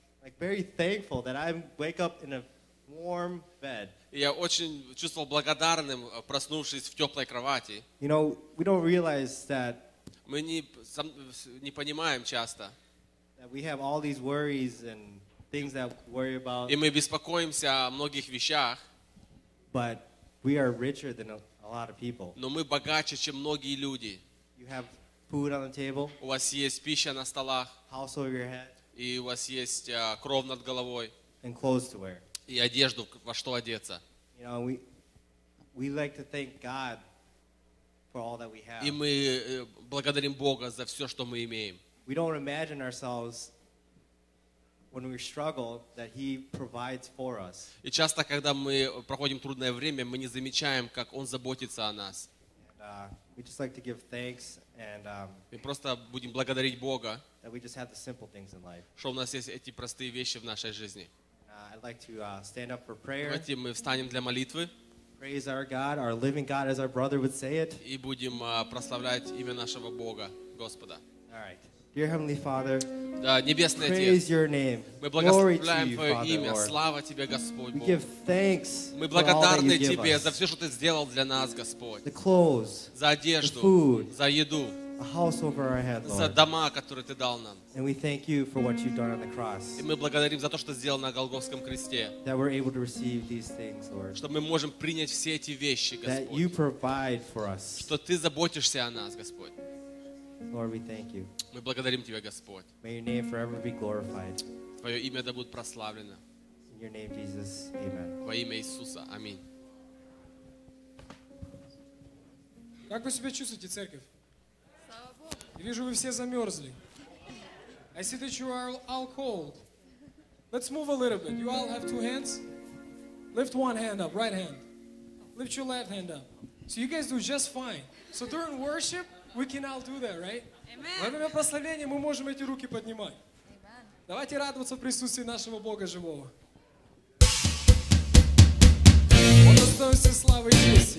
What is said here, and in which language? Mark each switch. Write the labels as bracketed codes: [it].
[en] Like very thankful that I wake up in a warm bed. [ru] Я очень чувствовал благодарным, проснувшись в теплой кровати. [en] You know, we don't realize that. [ru] Мы не понимаем часто. [en] That we have all these worries and things that worry about. [ru] И мы беспокоимся о многих вещах. [en] But we are richer than a lot of people. [ru] Но мы богаче, чем многие люди. [en] You have food on the table. [ru] У вас есть пища на столах. [en] House over your head. [ru] И у вас есть кров над головой. [en] And clothes to wear. [ru] И одежду, во что одеться. [en] You know, we like to thank God for all that we have. [ru] И мы благодарим Бога за все, что мы имеем. [en] We don't imagine ourselves when we struggle that He provides for us. [ru] И часто, когда мы проходим трудное время, мы не замечаем, как Он заботится о нас. [en] And, we just like to give thanks and. [ru] Мы просто будем благодарить Бога. [en] That we just have the simple things in life. [ru] Что у нас есть эти простые вещи в нашей жизни. [en] I'd like to stand up for prayer. [ru] Давайте мы встанем для молитвы. [en] Praise our God, our living God, as our brother would say it. [ru] И будем прославлять имя нашего Бога, Господа. [en] All right. Dear Heavenly Father, [ru] Небесный [en] praise [ru] Отец, [en] your name. [ru] Мы благословляем Твое имя. Слава Тебе, Господь. [en] We give thanks [ru] мы благодарны [en] for all that you [ru] Тебе [en] give us. [ru] За все, что Ты сделал для нас, Господь. [en] The clothes, [ru] за одежду, [en] the food, [ru] за еду. [en] A house over our head, Lord. [ru] За дома, которые Ты дал нам. [en] And we thank you for what you've done on the cross. [ru] И мы благодарим за то, что сделал на Голгофском кресте. [en] That we're able to receive these things, Lord. [ru] Что мы можем принять все эти вещи, Господь. [en] That you provide for us. [ru] Что Ты заботишься о нас, Господь. [en] Lord, we thank you. [ru] Мы благодарим Тебя, Господь. [en] May your name forever be glorified. [ru] Твое имя да будет прославлено. [en] In your name, Jesus, amen. [ru] Во имя Иисуса, аминь. Как вы себя чувствуете, церковь? Я вижу, вы все замерзли. [en] I see that you are all cold. Let's move a little bit. You all have two hands. Lift one hand up, right hand. Lift your left hand up. So you guys do just fine. So during worship, we can all do that, right? Amen. [ru] Во время прославления мы можем эти руки поднимать. [en] Amen. [ru] Давайте радоваться присутствию нашего Бога живого. Он достоин всей славы и чести.